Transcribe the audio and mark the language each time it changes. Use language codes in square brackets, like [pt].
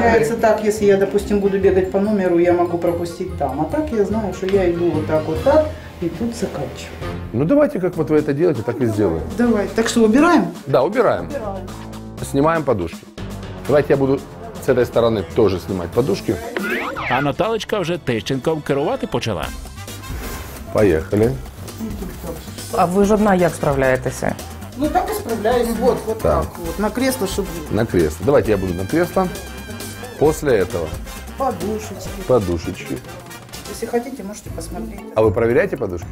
[ru] Получается так, если я, допустим, буду бегать по номеру, я могу пропустить там. А так я знаю, что я иду вот так вот так. И тут заканчиваю. Ну давайте, как вот вы это делаете, так давай, и сделаем. Давай. Так что, убираем? Да, убираем. Убираем. Снимаем подушки. Давайте я буду с этой стороны тоже снимать подушки. [uk] А Наталочка уже Тищенком керувати почала. [ru] Поехали. А вы же одна, как справляетесь? Ну так и справляюсь. Вот, вот так. Так вот. На кресло, чтобы... На кресло. Давайте я буду на кресло. После этого. Подушечки. Подушечки. Если хотите, можете посмотреть. А вы проверяете подушки?